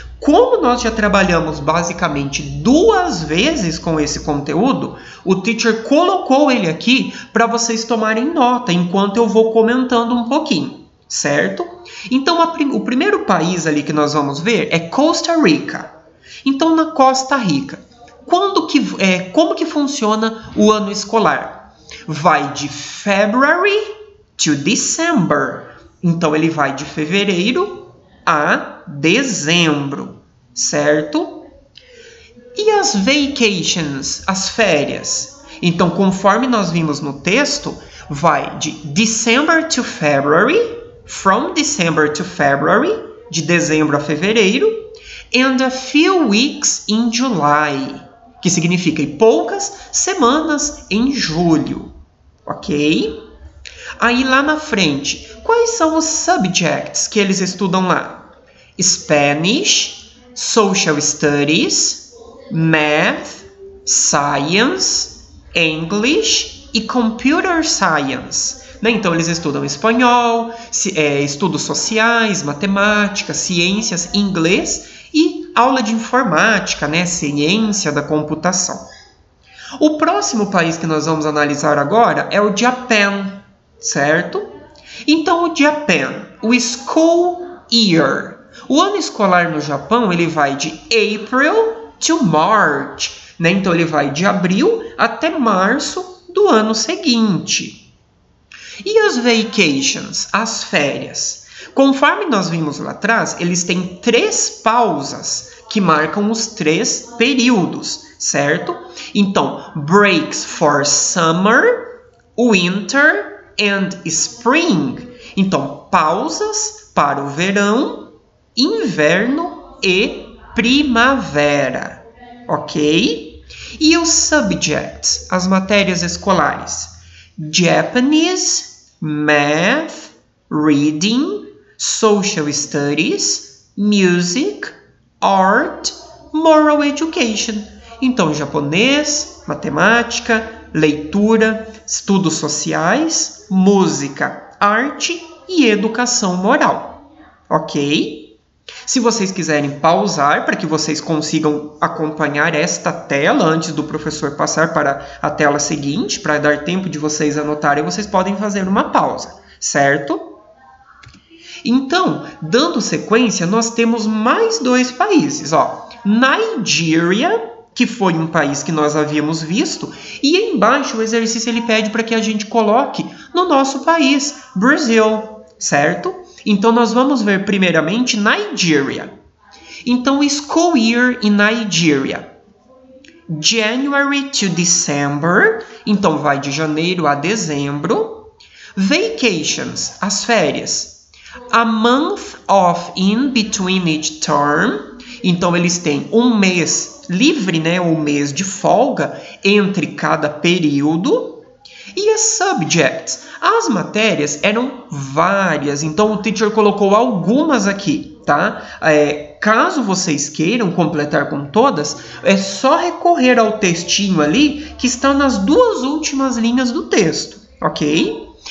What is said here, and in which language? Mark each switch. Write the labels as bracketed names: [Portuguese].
[Portuguese] Como nós já trabalhamos basicamente 2 vezes com esse conteúdo, o teacher colocou ele aqui para vocês tomarem nota enquanto eu vou comentando um pouquinho, certo? Então, o primeiro país ali que nós vamos ver é Costa Rica. Então, na Costa Rica, como que funciona o ano escolar? Vai de [English] February to December. [Portuguese] Então, ele vai de fevereiro a dezembro, certo? E as vacations, as férias? Então, conforme nós vimos no texto, vai de [English] December to February, from December to February, [Portuguese] de dezembro a fevereiro, [English] and a few weeks in July, [Portuguese] que significa poucas semanas em julho, ok? Aí, lá na frente, quais são os subjects que eles estudam lá? [English] Spanish, Social Studies, Math, Science, English e Computer Science. Né? [Portuguese] Então, eles estudam espanhol, estudos sociais, matemática, ciências, inglês e aula de informática, né? Ciência da computação. O próximo país que nós vamos analisar agora é o Japão. Certo? Então, o Japan, o school year. O ano escolar no Japão, ele vai de [English] April to March, [Portuguese] né? Então, ele vai de abril até março do ano seguinte. E as vacations, as férias? Conforme nós vimos lá atrás, eles têm 3 pausas que marcam os 3 períodos, certo? Então, [English] breaks for summer, winter and spring, [Portuguese] então pausas para o verão, inverno e primavera, ok? E os subjects, as matérias escolares? [English] Japanese, math, reading, social studies, music, art, moral education. [Portuguese] Então, japonês, matemática, leitura, estudos sociais, música, arte e educação moral. Ok? Se vocês quiserem pausar para que vocês consigam acompanhar esta tela antes do professor passar para a tela seguinte, para dar tempo de vocês anotarem, vocês podem fazer uma pausa, certo? Então, dando sequência, nós temos mais dois países, ó. Nigéria, que foi um país que nós havíamos visto, e embaixo o exercício ele pede para que a gente coloque no nosso país, Brasil, certo? Então, nós vamos ver primeiramente Nigeria. Então, [English] school year in Nigeria. January to December. [Portuguese] Então, vai de janeiro a dezembro. Vacations, as férias. [English] A month off in between each term. [Portuguese] Então, eles têm um mês livre, né? Um mês de folga entre cada período. E as subjects? As matérias eram várias, então o teacher colocou algumas aqui, tá? É, caso vocês queiram completar com todas, é só recorrer ao textinho ali que está nas duas últimas linhas do texto, ok?